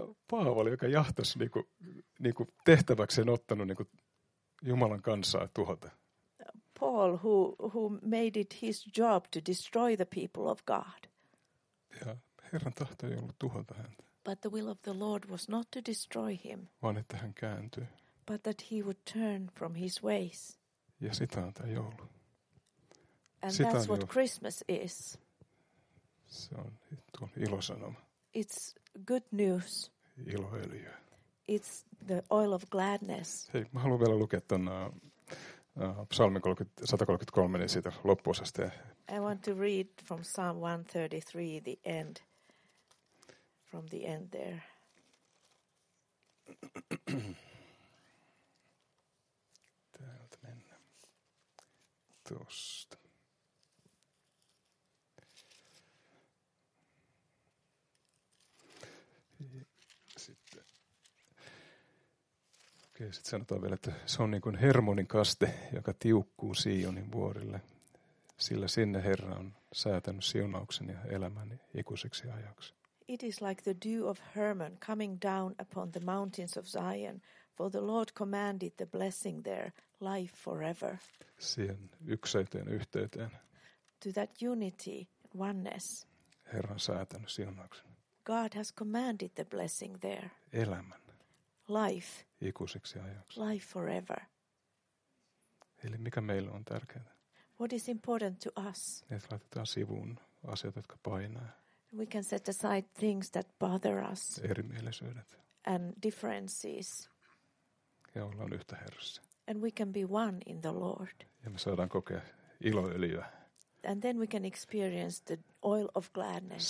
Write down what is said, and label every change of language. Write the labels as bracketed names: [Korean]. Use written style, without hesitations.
[Finnish] Paavali, joka jahtasi niinku tehtäväkseen ottanut niinku Jumalan kansaa tuhota. [English] Paul, who made it his job to destroy the people of God. [Finnish] Ja Herran tahto ei ollut tuhota häntä. [English] But the will of the Lord was not to destroy him. [Finnish] Vaan että hän kääntyi. [English] But that he would turn from his ways. [Finnish] Ja sitä on tämä joulu. [English] And [Finnish] sitä [English] that's what joulu. Christmas is. [Finnish] Se on tuon ilosanoma. [English] It's good news. [Finnish] Iloöljyä. [English] It's the oil of gladness. [Finnish] Hei, mä haluan vielä lukea tämän psalmin 133, niin siitä loppuosasta. [English] I want to read from Psalm 133, the end, from the end there. [Finnish] Täältä mennä. Tuosta. Okei, sitten sanotaan vielä, että se on niin kuin Hermonin kaste, joka tiukkuu Sionin vuorille, sillä sinne Herra on säätänyt siunauksen ja elämän ikuiseksi ajaksi. [English] It is like the dew of Hermon coming down upon the mountains of Zion, for the Lord commanded the blessing there, life forever. [Finnish] Siihen ykseyteen, yhteyteen. [English] To that unity, oneness. [Finnish] Herra on säätänyt siunauksen. [English] God has commanded the blessing there. [Finnish] Elämän. [English] Life. [Finnish] Ikuiseksi ajaksi. [English] Life forever. [Finnish] Eli mikä meille on tärkeää? [English] What is important to us? [Finnish] Että laitetaan sivuun asiat, jotka painaa. [English] We can set aside things that bother us. [Finnish] Erimielisyydet. [English] And differences. [Finnish] Ja ollaan yhtä Herrassa. [English] And we can be one in the Lord. [Finnish] Ja me saadaan kokea iloöljyä. [English] And then we can experience the oil of gladness.